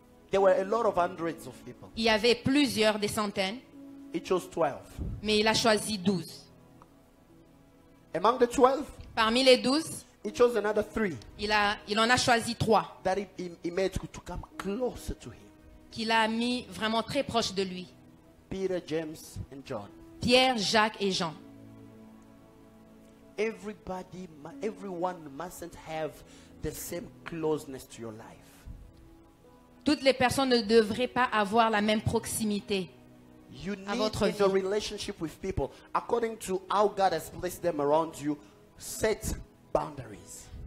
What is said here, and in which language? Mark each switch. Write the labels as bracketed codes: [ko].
[en] There were a lot of hundreds of people. [fr] Il y avait plusieurs des centaines. [en] He chose 12. [fr] Mais il a choisi 12. [en] Among the 12, [fr] parmi les 12, [en] he chose another 3. [fr] Il en a choisi 3. [en] That he made to come closer to him. [fr] Qu'il a mis vraiment très proche de lui. [en] Peter, James and John. [fr] Pierre, Jacques et Jean. [en] Everyone mustn't have the same closeness to your life. [fr] Toutes les personnes ne devraient pas avoir la même proximité [en] you [fr] à votre vie. [en] In a relationship with people, according to how God has placed them around you, set boundaries.